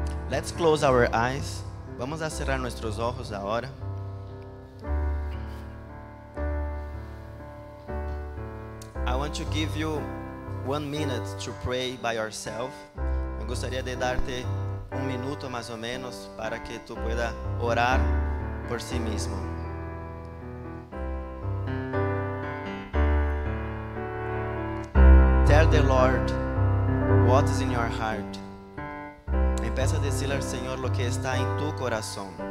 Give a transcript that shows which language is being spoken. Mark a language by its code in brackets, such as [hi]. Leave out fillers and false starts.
[en] Let's close our eyes. [es] Vamos a cerrar nuestros ojos ahora. [en] I want to give you 1 minute to pray by yourself. [es] Me gustaría de darte 1 minuto más o menos para que tú puedas orar por sí mismo. [en] Tell the Lord what is in your heart. [es] Empieza a decirle al Señor lo que está en tu corazón.